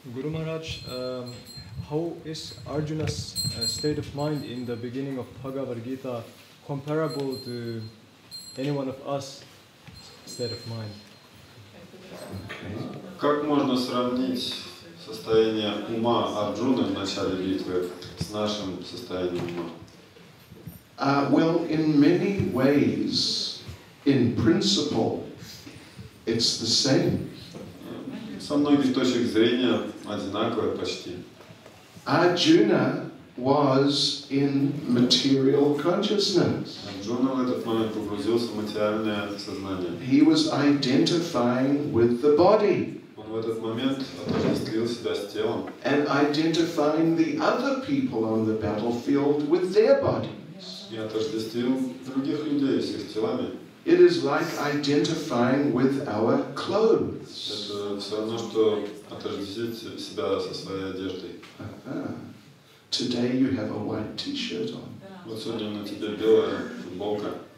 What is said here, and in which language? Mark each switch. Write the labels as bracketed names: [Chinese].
[English] Guru Maharaj, how is Arjuna's state of mind in the beginning of Bhagavad Gita comparable to any one of us' state of mind? [Russian] Как можно сравнить состояние ума Арджуны в начале битвы с нашим состоянием ума? [English] Well, in many ways, in principle, it's the same. [Russian] Со многих точек зрения одинаковое почти. [English] Арджуна was in material consciousness. [Russian] Арджуна в этот момент погрузился в материальное сознание. [English] He was identifying with the body. [Russian] Он этот момент отождествил себя с телом. [English] And identifying the other people on the battlefield with their bodies. [Russian] Я отождествил других людей с их телами. [English] It is like identifying with our clothes. [Russian] Это все равно, что отождествить себя со своей одеждой. [English] Today you have a white t-shirt on. [Russian] Вот сегодня на тебе белая футболка.